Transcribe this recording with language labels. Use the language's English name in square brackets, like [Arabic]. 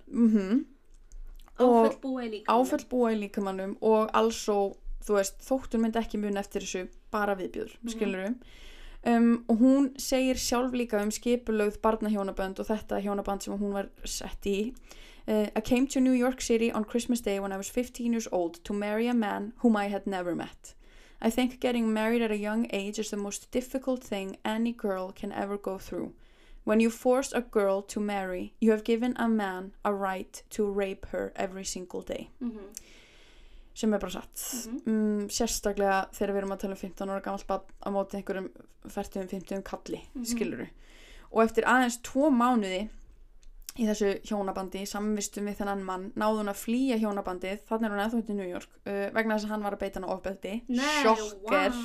[Icelandic] Mm-hmm. Áfall búa í líkamannum. Áfall búa í líkamannum og alls og þú veist, þótt hún myndi ekki mun eftir þessu bara viðbjör, skilur við. Og hún segir sjálf líka skipulögð barnahjónabönd og þetta hjónaband sem hún var sett í. [English] I came to New York City on Christmas Day when I was 15 years old to marry a man whom I had never met. I think getting married at a young age is the most difficult thing any girl can ever go through. When you force a girl to marry, you have given a man a right to rape her every single day. [Icelandic] Sem er bara satt, sérstaklega þegar við erum að tala 15 ára gamalt bara á móti einhverjum 40-50 kalli, skilurðu. Og eftir aðeins 2 mánuði í þessu hjónabandi, samvistum við þennan mann, náði hún að flýja hjónabandi, þannig er hún eða út í New York, vegna þess að hann var að beita hann á ofbeldi, sjokker.